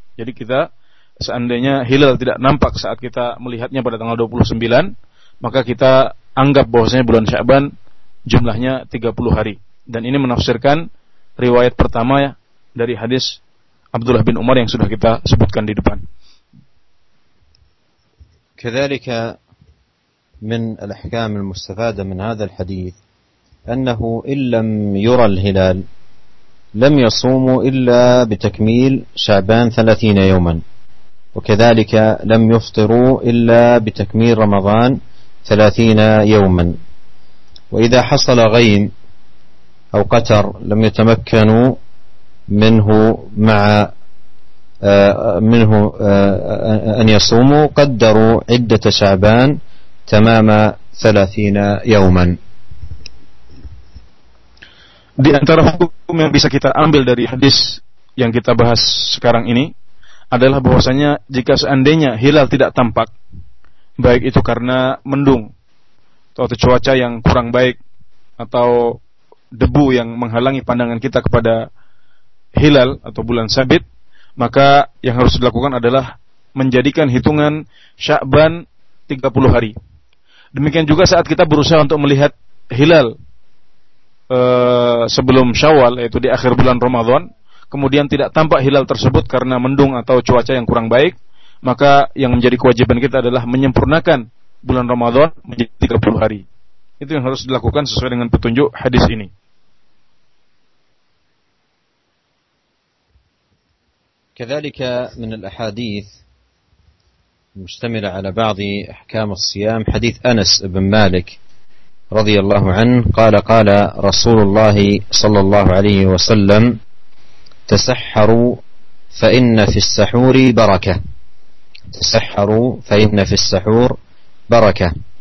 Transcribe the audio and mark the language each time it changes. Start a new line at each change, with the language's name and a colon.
Indonesian: Jadi kita seandainya hilal tidak nampak saat kita melihatnya pada tanggal 29, maka kita anggap bahwasanya bulan Sya'ban jumlahnya 30 hari. Dan ini menafsirkan riwayat pertama ya, dari hadis Abdullah bin Umar yang sudah kita sebutkan di depan.
Arabic: كذلك من الأحكام المستفادة من هذا الحديث أنه إن لم يرى الهلال لم يصوموا إلا بتكميل شعبان 30 يوما، وكذلك لم يفطروا إلا بتكميل رمضان 30 يوما، وإذا حصل غيم أو قتر لم يتمكنوا منه مع منه أن يصوموا قدروا عدة شعبان تمام 30 يوما.
Indonesian: Di antara hukum yang bisa kita ambil dari hadis yang kita bahas sekarang ini adalah bahwasanya jika seandainya hilal tidak tampak, baik itu karena mendung atau cuaca yang kurang baik atau debu yang menghalangi pandangan kita kepada hilal atau bulan sabit, maka yang harus dilakukan adalah menjadikan hitungan Sya'ban 30 hari. Demikian juga saat kita berusaha untuk melihat hilal sebelum Syawal, yaitu di akhir bulan Ramadan, kemudian tidak tampak hilal tersebut karena mendung atau cuaca yang kurang baik, maka yang menjadi kewajiban kita adalah menyempurnakan bulan Ramadan menjadi 30 hari. Itu yang harus dilakukan sesuai dengan petunjuk hadis ini.
Arabic: كذلك من الأحاديث المشتملة على بعض أحكام الصيام حديث أنس بن مالك رضي الله عنه قال قال رسول الله صلى الله عليه وسلم تسحروا فإن في السحور بركة، تسحروا فإن في السحور بركة.